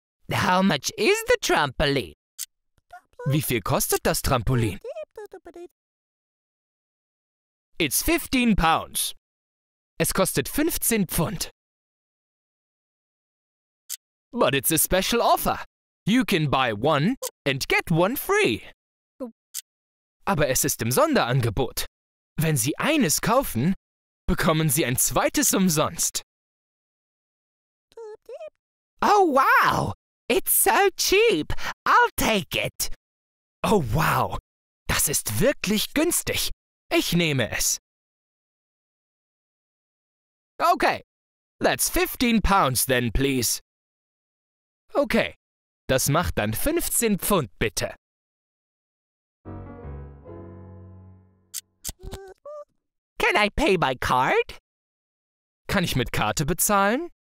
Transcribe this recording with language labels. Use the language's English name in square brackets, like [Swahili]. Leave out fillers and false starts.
[English] How much is the trampoline? [German] Wie viel kostet das Trampolin? [English] It's 15 pounds. [German] Es kostet 15 Pfund. [English] But it's a special offer. You can buy one and get one free. [German] Aber es ist im Sonderangebot. Wenn Sie eines kaufen, bekommen Sie ein zweites umsonst. [English] Oh wow! It's so cheap! I'll take it! Oh wow! [German] Das ist wirklich günstig! Ich nehme es! [English] Okay, that's 15 pounds then, please. [German] Okay, das macht dann 15 Pfund, bitte. [English] Can I pay by card? [German] Kann ich mit Karte bezahlen?